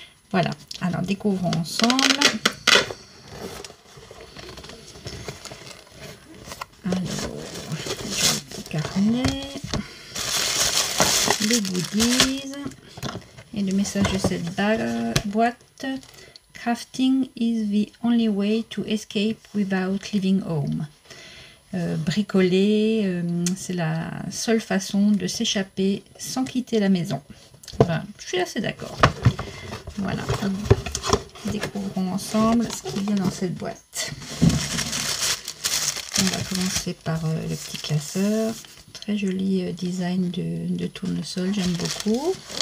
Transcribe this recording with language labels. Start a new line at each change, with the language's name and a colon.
French: Voilà, alors découvrons ensemble. Alors, j'ai un petit carnet, les goodies et le message de cette boîte.
English: Crafting is the only way to escape without leaving home.
French: Bricoler, c'est la seule façon de s'échapper sans quitter la maison. Enfin, je suis assez d'accord. Voilà, découvrons ensemble ce qu'il y a dans cette boîte. On va commencer par le petit classeur. Très joli design de tournesol, j'aime beaucoup.